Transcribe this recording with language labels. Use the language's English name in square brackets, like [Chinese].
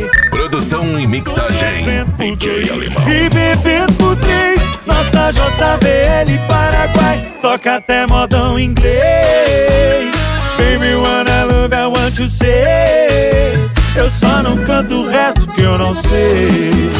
[Portuguese] Produção e mixagem DJ Alemão. E bebendo por três. Nossa JBL Paraguai toca até modão inglês. [English] Baby, wanna love, I want you say. [Portuguese] Eu só não canto o resto que eu não sei.